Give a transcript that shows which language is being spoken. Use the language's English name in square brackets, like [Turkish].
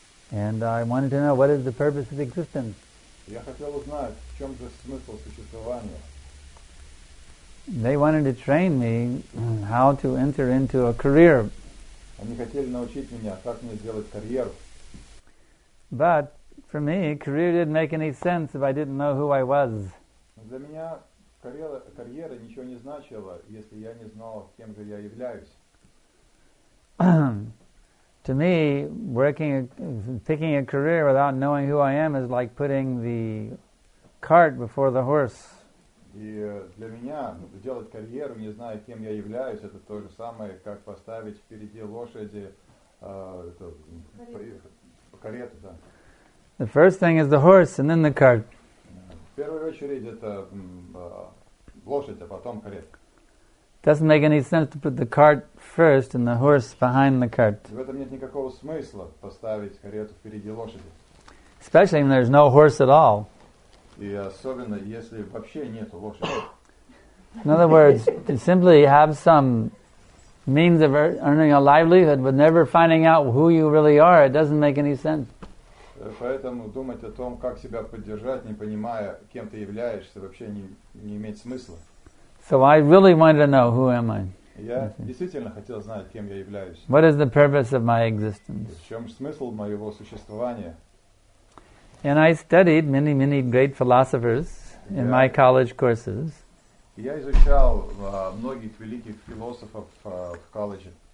[English] And I wanted to know what is the purpose of existence. [Russian] Я хотел узнать, в чем же смысл существования. [English] They wanted to train me how to enter into a career. [Russian] Они хотели научить меня, как мне сделать карьеру. [English] But for me, career didn't make any sense if I didn't know who I was. [Russian] Для меня карьера ничего не значила, если я не знал, кем же я являюсь. [English] To me, picking a career without knowing who I am is like putting the cart before the horse. [Russian] И для меня делать карьеру, не зная, кем я являюсь, это то же самое, как поставить впереди лошади карету. Да. [English] The first thing is the horse, and then the cart. [Russian] В первую очередь это лошадь, а потом карета. [English] Doesn't make any sense to put the cart first and the horse behind the cart. [Russian] В этом нет никакого смысла поставить карету впереди лошади. [English] Especially when there's no horse at all. [Russian] И особенно если вообще нету лошади. [English] In other words, to simply have some means of earning a livelihood but never finding out who you really are, it doesn't make any sense. [Russian] Поэтому думать о том, как себя поддержать, не понимая, кем ты являешься, вообще не имеет смысла. [English] So I really wanted to know, who am I? [Russian] Я действительно хотел знать, кем я являюсь. [English] What is the purpose of my existence? [Russian] В чем смысл моего существования? [English] And I studied many, many great philosophers in my college courses. [Russian] Я изучал многих великих философов в колледже.